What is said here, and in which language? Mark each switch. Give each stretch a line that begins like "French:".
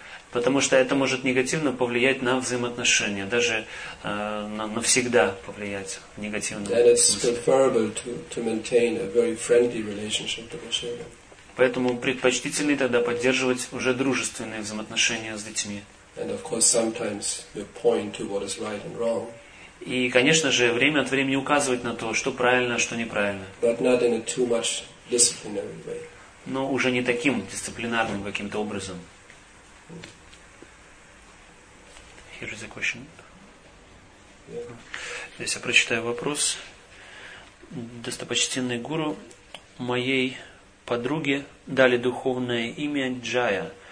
Russian: Потому что это может негативно повлиять на взаимоотношения, даже навсегда повлиять негативно.
English: Then it's preferable to maintain a very friendly relationship with the children.
Russian: Поэтому предпочтительнее тогда поддерживать уже дружественные взаимоотношения с детьми.
English: And of course sometimes you point to what is right and wrong.
Russian: И, конечно же, время от времени указывать на то, что правильно, что неправильно.
English: But not in a too much disciplinary way.
Russian: Но уже не таким дисциплинарным каким-то образом.
English: Here is a question. Yeah.
Russian: Здесь я прочитаю вопрос. Достопочтенный гуру, моей подруге дали духовное имя Джая.